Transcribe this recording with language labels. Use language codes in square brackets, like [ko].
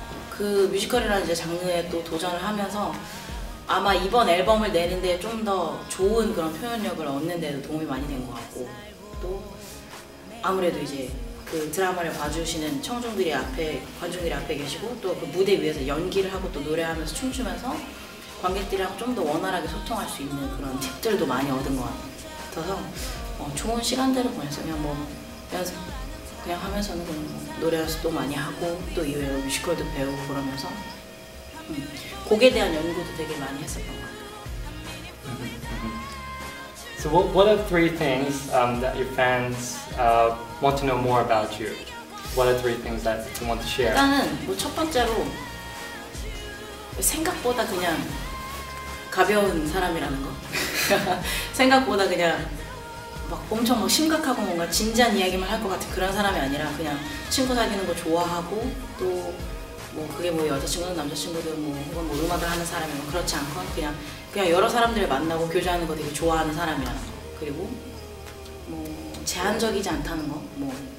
[ko] 그 뮤지컬이라는 이제 장르에 또 도전을 하면서 아마 이번 앨범을 내는데 좀 더 좋은 그런 표현력을 얻는 데도 도움이 많이 된 것 같고 또 아무래도 이제 그 드라마를 봐주시는 관중들이 앞에 계시고 또 그 무대 위에서 연기를 하고 또 노래하면서 춤추면서 관객들이랑 좀 더 원활하게 소통할 수 있는 그런 팁들도 많이 얻은 것 같아서 좋은 시간들을 보냈어요. 그냥 뭐 연습 그냥 하면서는 그냥 노래 연습도 많이 하고 또 이후에 뮤지컬도 배우고 그러면서 곡에 대한 연구도 되게 많이 했었던 것 같아요. [en] So what are three things that your fans want to know more about you? What are three things that you want to share? [ko] 일단은 뭐 첫 번째로 생각보다 그냥 가벼운 사람이라는 거. 생각보다 그냥 막 엄청 막 심각하고 뭔가 진지한 이야기만 할 것 같은 그런 사람이 아니라 그냥 친구 사귀는 거 좋아하고 또 뭐 그게 뭐 여자친구든 남자친구든 뭐 음악을 하는 사람이면 그렇지 않건 그냥 여러 사람들 만나고 교제하는 거 되게 좋아하는 사람이라는 거. 그리고 뭐 제한적이지 않다는 거, 뭐